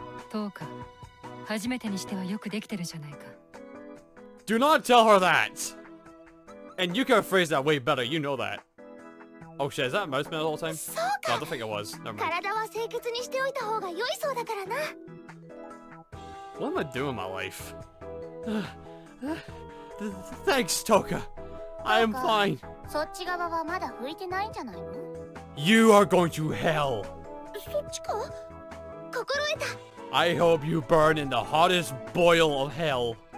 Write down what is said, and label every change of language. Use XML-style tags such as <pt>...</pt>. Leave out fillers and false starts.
<ja>Toka, 初めてにしてはよくできてるじゃないか。</ja> <en>Do not tell her that! And you can phrase that way better, you know that. Oh shit, is that mouth smell all the time? So, I don't think it was. Never mind.</en> <ja>体は清潔にしておいた方が良いそうだからな。</ja> <en>What am I doing in my life? Thanks, Toka. I am fine.</en> <ja>そっち側はまだ拭いてないんじゃないの?</ja> <en>You are going to hell!</en> <ja>そっちか?心得た!</ja> <en>I hope you burn in the hottest boil of hell!</en>